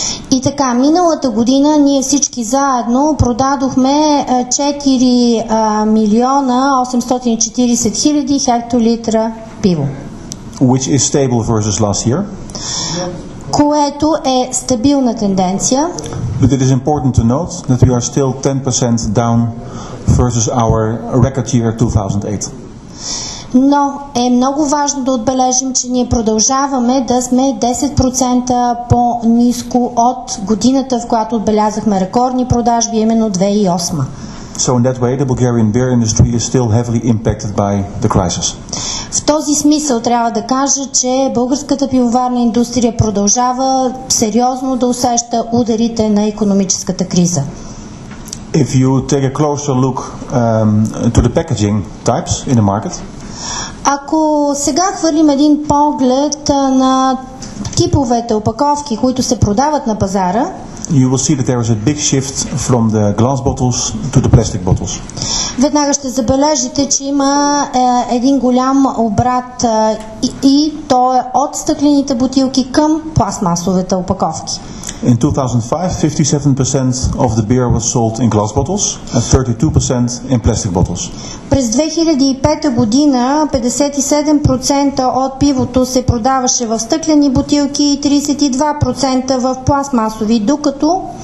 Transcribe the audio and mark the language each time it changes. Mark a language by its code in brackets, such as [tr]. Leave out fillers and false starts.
[bg] И така, миналата година ние всички заедно продадохме 4 840 000 хектолитра пиво. [en] Which is stable versus last year. [bg] Което е стабилна тенденция. [en] But it is important to note that we are still 10% down versus our record year 2008. [bg] Но е много важно да отбележим, че ние продължаваме да сме 10% по-ниско от годината, в която отбелязахме рекордни продажби, именно 2008. [en] So in that way, the Bulgarian beer industry is still heavily impacted by the crisis. [bg] В този смисъл трябва да кажа, че българската пивоварна индустрия продължава сериозно да усеща ударите на икономическата криза. [en] If you take a closer look to the packaging types in the market, [bg] ако сега хвърлим един поглед на типовете опаковки, които се продават на пазара, [en] you will see that there is a big shift from the glass bottles to the plastic bottles. [bg] Веднага ще забележите, че има един голям обрат и то е от стъклените бутилки към пластмасовите опаковки. [en] In 2005, 57% of the beer was sold in glass bottles and 32% in plastic bottles. [bg] През 2005 година 57% от пивото се продаваше в стъклени бутилки и 32% в пластмасови, докато...